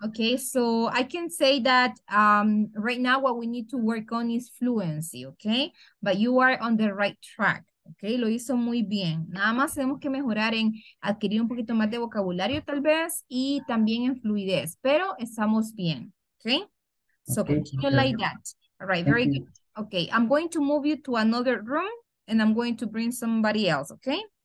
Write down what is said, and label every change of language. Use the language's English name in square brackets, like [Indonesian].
[English] Okay, so I can say that right now what we need to work on is fluency, okay? But you are on the right track, okay? [Spanish] Lo hizo muy bien. Nada más tenemos que mejorar en adquirir un poquito más de vocabulario tal vez y también en fluidez, pero estamos bien, okay? [English] So okay, continue okay. Like that. All right, very good. Okay, I'm going to move you to another room and I'm going to bring somebody else, okay?